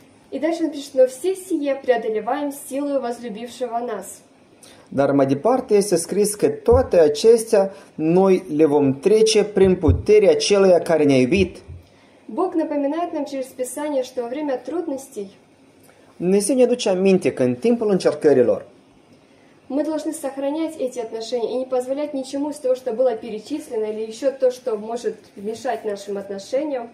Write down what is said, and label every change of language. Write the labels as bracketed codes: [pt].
[ru] И дальше он пишет, но все сие преодолеваем силою возлюбившего нас. [ro] Dar mai departe este scris că toate acestea noi le vom trece prin puterea celuia care ne-a iubit. [ru] Бог напоминает нам через Писание, что во время трудностей [ro] Dumnezeu ne aduce aminte că în timpul încercărilor [ru] мы должны сохранять эти отношения и не позволять ничему из того, что было перечислено, или еще то, что может мешать нашим отношениям.